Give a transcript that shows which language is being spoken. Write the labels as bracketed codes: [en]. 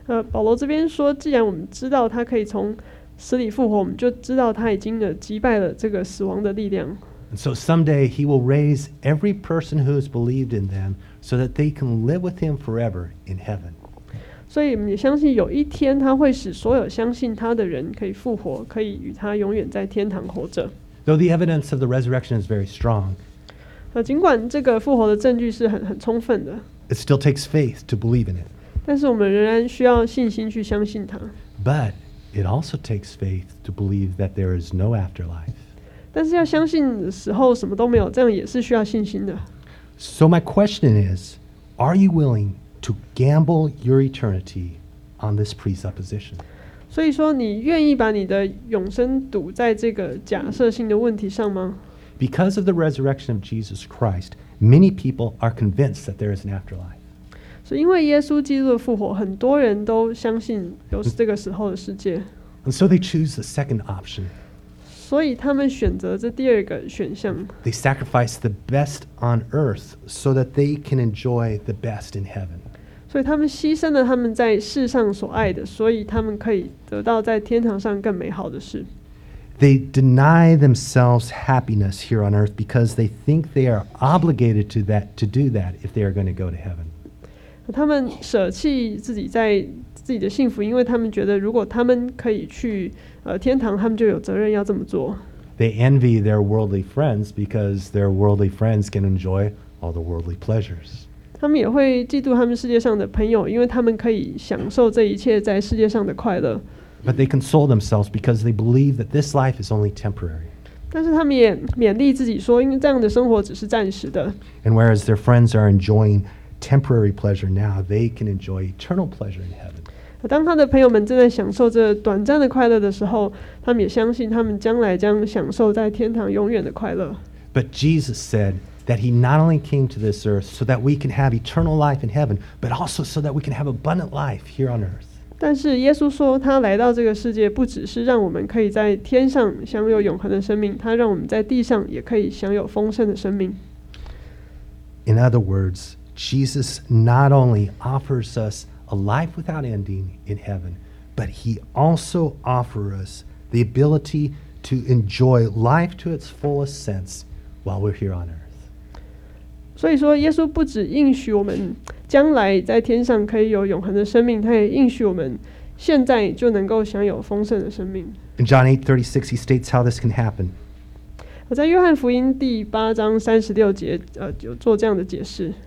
[zh] 保罗这边说，既然我们知道他可以从死里复活，我们就知道他已经击败了这个死亡的力量。 [en] And so someday he will raise every person who has believed in them so that they can live with him forever in heaven. [zh] 所以我们也相信有一天他会使所有相信他的人可以复活，可以与他永远在天堂活着。 [en] Though the evidence of the resurrection is very strong, [zh] 尽管这个复活的证据是很充分的， [en] it still takes faith to believe in it. [zh] 但是我们仍然需要信心去相信它。 [en] But it also takes faith to believe that there is no afterlife. [zh] 但是要相信死后什么都没有，这样也是需要信心的。 [en] So my question is, are you willing to gamble your eternity on this presupposition? [zh] 所以说你愿意把你的永生赌在这个假设性的问题上吗？ [en] Because of the resurrection of Jesus Christ, many people are convinced that there is an afterlife. [zh] 所以因为耶稣基督的复活，很多人都相信有这个死后的世界。 [en] And so they choose the second option. [zh] 所以他们选择这第二个选项。 [en] They sacrifice the best on earth so that they can enjoy the best in heaven. [zh] 所以他们牺牲了他们在世上所爱的，所以他们可以得到在天堂上更美好的事。 [en] They deny themselves happiness here on earth because they think they are obligated to do that if they are going to go to heaven. [zh] 他们舍弃自己在自己的幸福，因为他们觉得如果他们可以去天堂，他们就有责任要这么做。 [en] They envy their worldly friends because their worldly friends can enjoy all the worldly pleasures. [zh] 他们也会嫉妒他们世界上的朋友，因为他们可以享受这一切在世界上的快乐。 [en] But they console themselves because they believe that this life is only temporary. [zh] 但是他们也勉励自己说，因为这样的生活只是暂时的。 [en] And whereas their friends are enjoying temporary pleasure now, they can enjoy eternal pleasure in heaven. [zh] 当他的朋友们正在享受这短暂的快乐的时候，他们也相信他们将来将享受在天堂永远的快乐。 [en] But Jesus said,that he not only came to this earth so that we can have eternal life in heaven, but also so that we can have abundant life here on earth. [zh] 但是耶稣说他来到这个世界不只是让我们可以在天上享有永恒的生命，他让我们在地上也可以享有丰盛的生命。 [en] In other words, Jesus not only offers us a life without ending in heaven, but he also offers us the ability to enjoy life to its fullest sense while we're here on earth. [zh] 所以说耶稣不只应许我们将来在天上可以有永恒的生命，他也应许我们现在就能够享有丰盛的生命。 [en] In John 8:36, he states how this can happen. [zh] 在约翰福音第八章三十六节，有做这样的解释。